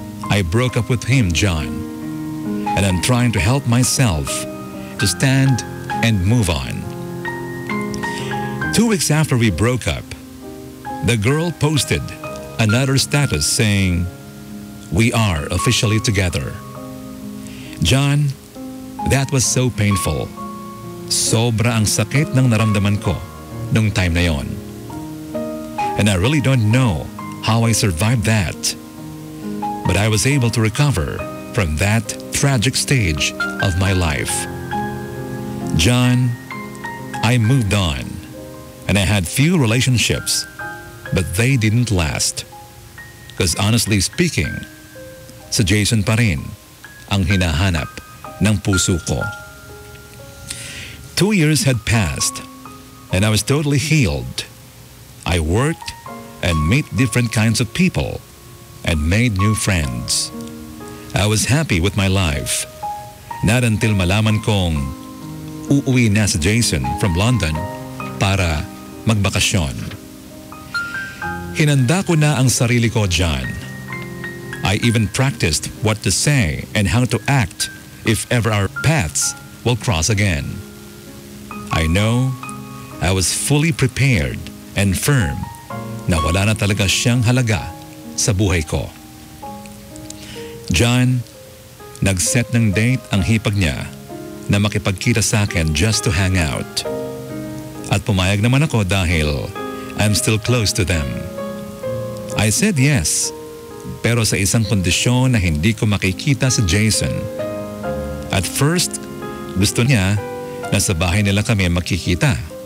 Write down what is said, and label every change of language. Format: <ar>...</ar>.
<en>I broke up with him, John, and I'm trying to help myself to stand and move on. 2 weeks after we broke up, the girl posted another status saying, "We are officially together." John, that was so painful.</en> <tl>Sobra ang sakit ng naramdaman ko nung time na yon.</tl> <en>And I really don't know how I survived that. But I was able to recover from that tragic stage of my life. John, I moved on. And I had few relationships, but they didn't last. Because honestly speaking,</en> <tl>sa Jason pa rin ang hinahanap ng puso ko.</tl> <en>2 years had passed and I was totally healed. I worked and met different kinds of people and made new friends. I was happy with my life. Not until</en> <tl>malaman kong uuwi na</tl> <en>si Jason from London</en> <tl>para magbakasyon. Hinanda ko na ang sarili ko, John.</tl> <en>I even practiced what to say and how to act if ever our paths will cross again. I know I was fully prepared and firm</en> <tl>na wala na talaga siyang halaga sa buhay ko. John, nag-set ng date ang hipag niya na makipagkita sa akin</tl> <en>just to hang out.</en> <tl>At pumayag naman ako dahil</tl> <en>I'm still close to them. I said yes,</en> <tl>pero sa isang kondisyon na hindi ko makikita si Jason. At first, gusto niya na sa bahay nila kami makikita.</tl>